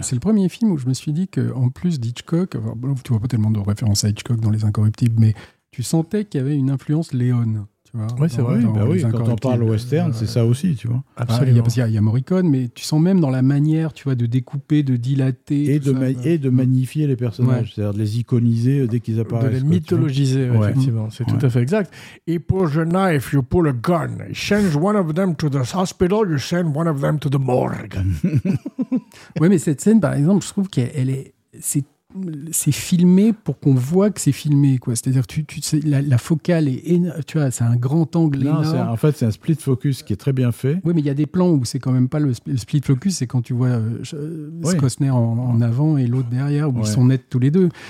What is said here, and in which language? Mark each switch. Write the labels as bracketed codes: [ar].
[fr] C'est le premier film où je me suis dit qu'en plus d'Hitchcock, bon, tu vois pas tellement de références à Hitchcock dans Les Incorruptibles, mais tu sentais qu'il y avait une influence Léon. Oui, c'est vrai. Bah oui, quand on parle western, c'est ça aussi, tu vois. Absolument. Il y a Morricone, mais tu sens même dans la manière, tu vois, de découper, de dilater. Et de magnifier les personnages, ouais. C'est-à-dire de les iconiser dès qu'ils apparaissent. De les mythologiser, quoi, effectivement. Ouais. C'est tout à fait exact. [en] He pulls a knife, you pull a gun. He sends one of them to the hospital, you send one of them to the morgue. [fr] Oui, mais cette scène, par exemple, je trouve qu'elle est... C'est filmé pour qu'on voit que c'est filmé, quoi. C'est-à-dire, la focale est énorme, tu vois, c'est un grand angle énorme. Non, en fait, c'est un split focus qui est très bien fait. Oui, mais il y a des plans où c'est quand même pas le split focus, c'est quand tu vois Costner en avant et l'autre derrière, où ils sont nets tous les deux.